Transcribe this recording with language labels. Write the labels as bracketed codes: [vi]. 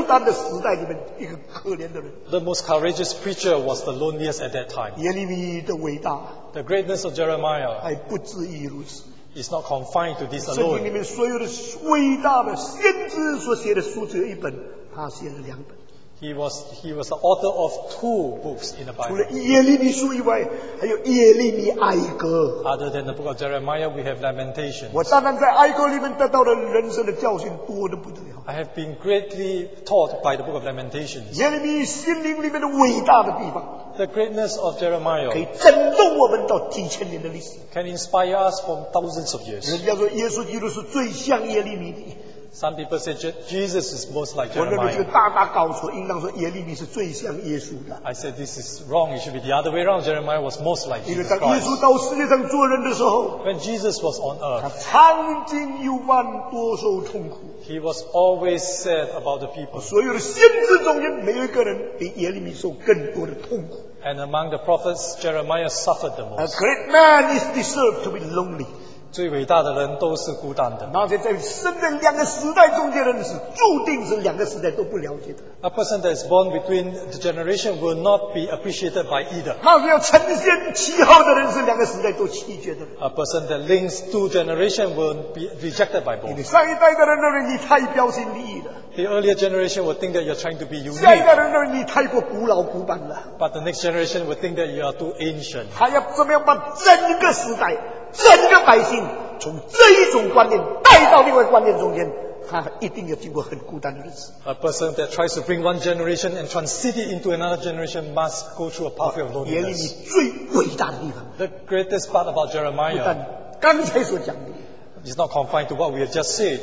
[zh] 最勇敢的传信息的人是最孤单的时代里面一个可怜的人。 [en] The most courageous preacher was the loneliest at that time. [zh] 耶利米的伟大。 [en] The greatness of Jeremiah. [zh] 还不至于如此。 [en] It's not confined to this alone. [zh] 圣经里面所有的伟大的先知所写的书只有一本，他写了两本。 [en] He was the author of two books in the Bible. [zh] 除了耶利米书以外，还有耶利米哀歌。 [en] Other than the book of Jeremiah, we have Lamentations. [zh] 我当然在哀歌里面得到的人生的教训多得不得了。 [en] I have been greatly taught by the book of Lamentations. [zh] 耶利米心灵里面的伟大的地方。 [en] The greatness of Jeremiah [zh] 可以震动我们到几千年的历史。 [en] Can inspire us for thousands of years. [zh] 人家说耶稣基督是最像耶利米的。 [en] Some people say Jesus is most like Jeremiah. I said this is wrong. It should be the other way around. Jeremiah was most like Jesus Christ. When Jesus was on earth, he was always sad about the people. And among the prophets, Jeremiah suffered the most. A great man is deserved to be lonely. [zh] 最伟大的人都是孤单的. [en] A person that is born between the generation will not be appreciated by either. A person that links two generations will be rejected by both. The earlier generation will think that you are trying to be unique. But the next generation will think that you are too ancient. [zh] 他要怎么样把整个时代, 整个百姓, 从这一种观念带到另外观念中间, 他一定要经过很孤单的日子。 [en] A person that tries to bring one generation and transit it into another generation must go through a pathway of loneliness. [zh] 耶利米最伟大的地方, [en] the greatest part about Jeremiah [zh] 不但刚才所讲的, [en] is not confined to what we have just said.